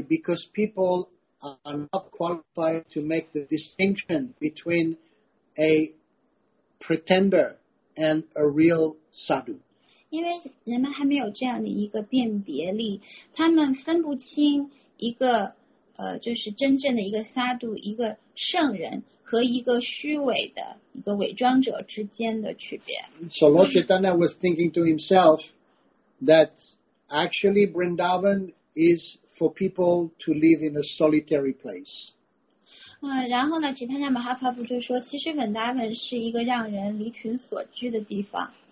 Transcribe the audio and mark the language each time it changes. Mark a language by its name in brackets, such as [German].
[English] Because people are not qualified to make the distinction between a pretender and a real sadhu [Chinese] 因为人们还没有这样的一个辨别力他们分不清一个就是真正的一个沙度一个圣人和一个虚伪的一个伪装者之间的区别 [English] So Lord Chaitanya was thinking to himself that actually Vrindavan is for people to live in a solitary place [Chinese] 然后呢 Chaitanya Mahaprabhu 就说其实 Vrindavan 是一个让人离群所居的地方